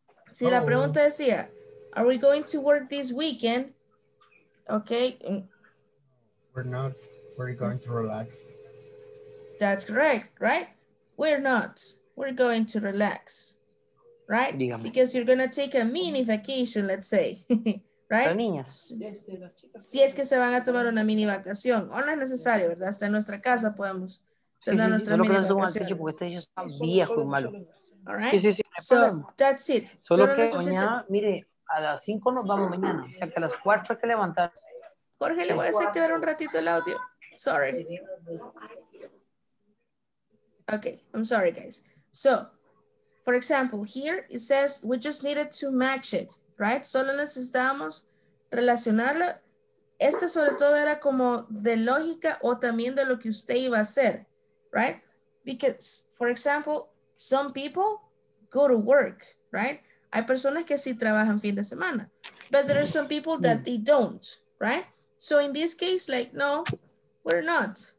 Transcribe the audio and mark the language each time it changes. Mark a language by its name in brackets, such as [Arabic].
[Spanish] Si la pregunta decía, [English] are we going to work this weekend? Okay. We're not. We're going to relax. That's correct, right? We're not. We're going to relax, right? [Spanish] Dígame. [English] Because you're going to take a mini vacation, let's say. Right? [Spanish] Niñas. Si es que se van a tomar una mini vacación, o no es necesario, ¿verdad? Hasta en nuestra casa podemos tener nuestra mini vacación. Porque ellos están viejos y malos. [English] All right. [Spanish] Sí, sí, sí. [English] So, that's it. [Spanish] Solo que mañana, mire, a las 5 nos vamos mañana. O sea, que a las 4 hay que levantar. Jorge, le voy a desactivar un ratito el audio. [English] Sorry. Okay, I'm sorry, guys. So, for example, here it says we just needed to match it, right? [Spanish] Solo necesitábamos relacionarlo. Este sobre todo era como de lógica o también de lo que usted iba a hacer, right? [English] Because, for example, some people go to work, right? [Spanish] Hay personas que sí trabajan fin de semana, [English] but there are some people that they don't, right? So in this case, like, no, we're not.